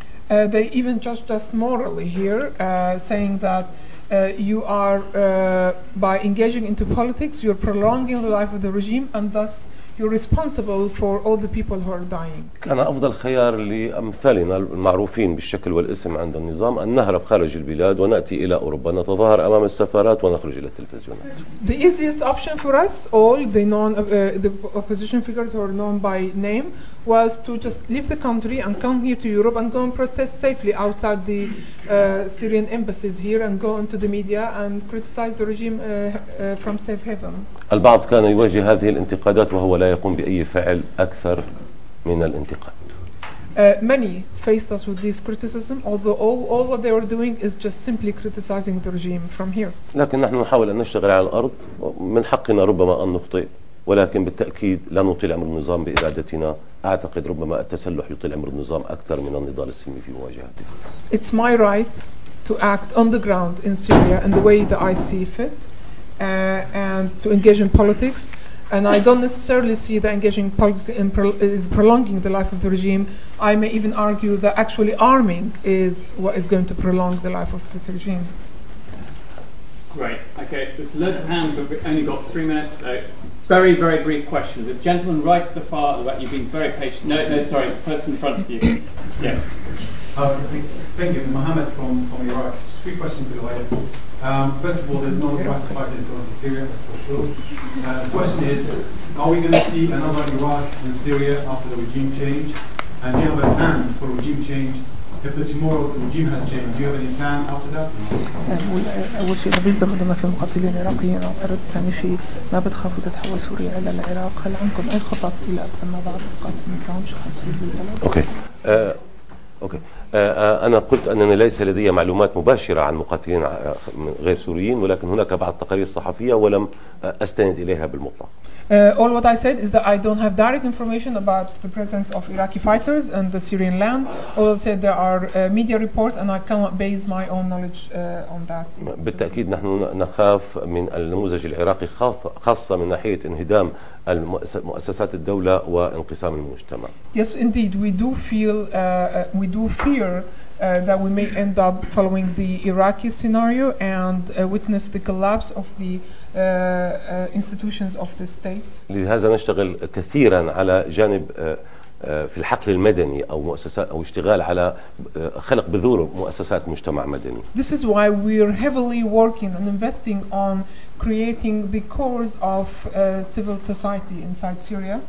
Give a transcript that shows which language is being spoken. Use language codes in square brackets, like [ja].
[en] They even judged us morally here, saying that you are by engaging into politics, you're prolonging the life of the regime, and thus you're responsible for all the people who are dying. [ar] كان أفضل خيار لأمثالنا المعروفين بالشكل والاسم عند النظام أن نهرب خارج البلاد ونأتي إلى أوروبا نتظاهر أمام السفارات ونخرج إلى التلفزيونات. [en] The easiest option for us, all the non the opposition figures who are known by name, was to just leave the country and come here to Europe and go and protest safely outside the Syrian embassies here and go into the media and criticize the regime from safe haven. [ar] البعض كان يواجه هذه الانتقادات وهو لا يقوم بأي فعل أكثر من الانتقاد. [en] Many faced us with this criticism, although all what they were doing is just simply criticizing the regime from here. [ar] لكن نحن نحاول أن نشتغل على الأرض. من حقنا ربما أن نخطئ, ولكن بالتأكيد لا نطيل عمر النظام بإرادتنا. أعتقد ربما التسلح يطيل عمر النظام أكثر من النضال السلمي في مواجهته. [en] It's my right to act on the ground in Syria in the way that I see fit, and to engage in politics. And I don't necessarily see that engaging politics in is prolonging the life of the regime. I may even argue that actually arming is what is going to prolong the life of this regime. Great. Okay, there's loads of hands, but we've only got 3 minutes. Very, very brief question. The gentleman right at the far right, you've been very patient. No, sorry, the person in front of you. Yeah. Thank you. Mohammed from Iraq. Just 3 questions to the lawyer. First of all, there's no Iraq fighters going to Syria, that's for sure. The question is, are we going to see another Iraq and Syria after the regime change? And do you have a plan for regime change? If the tomorrow the regime has changed, do you have any plan after that? [ar] أول شيء نبي نزرع لما في مقاتلين عراقيين أو أرد. ثاني شيء ما بتخافوا تتحول سوريا إلى العراق؟ هل عندكم أي خطط إلى أن بعد إسقاط النظام شو حصير بالبلد؟ [en] Okay. [ar] أنا قلت أنني ليس لدي معلومات مباشرة عن مقاتلين غير سوريين, ولكن هناك بعض التقارير الصحفية ولم أستند إليها بالمطلق. [en] All what I said is that I don't have direct information about the presence of Iraqi fighters on the Syrian land. All I said there are media reports and I cannot base my own knowledge on that. [ar] بالتأكيد نحن نخاف من النموذج العراقي, خاصة من ناحية انهدام مؤسسات الدولة وانقسام المجتمع. [en] Yes, indeed, we do fear that we may end up following the Iraqi scenario and witness the collapse of the institutions of the state. [ar] لهذا نشتغل كثيرا على جانب في الحقل المدني أو مؤسسات أو اشتغال على خلق بذور مؤسسات مجتمع مدني. [en] This is why we're heavily working and investing on creating the cores of civil society inside Syria.